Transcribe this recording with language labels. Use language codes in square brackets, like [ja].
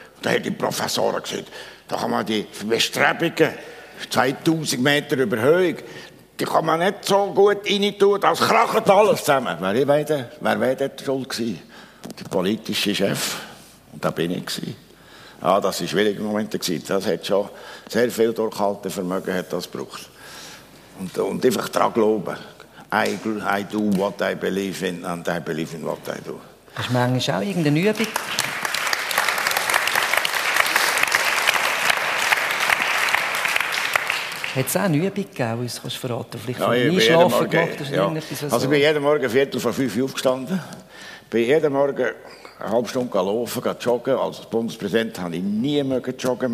[de] Da haben die Professoren gesehen. Da kann man die Bestrebungen 2000 Meter Überhöhung, die kann man nicht so gut reintun, das kracht alles zusammen. Wer war dort schuld gewesen? Der politische Chef. Und da bin ich gewesen. Ja, das waren schwierige Momente gewesen. Das hat schon sehr viel Durchhaltevermögen hat das gebraucht. Und einfach daran glauben. [en] I do what I believe in and I believe in what I do. [de] Das ist manchmal auch irgendeine Übung. Hat es auch eine Übung gegeben, uns kannst du verraten? Vielleicht ja, ich Einschlafen jeden Morgen, gemacht, ja. Irgendetwas also so. Ich bin jeden Morgen Viertel vor fünf aufgestanden. Bin jeden Morgen eine halbe Stunde gelaufen, joggen. Als Bundespräsident habe ich nie mehr joggen.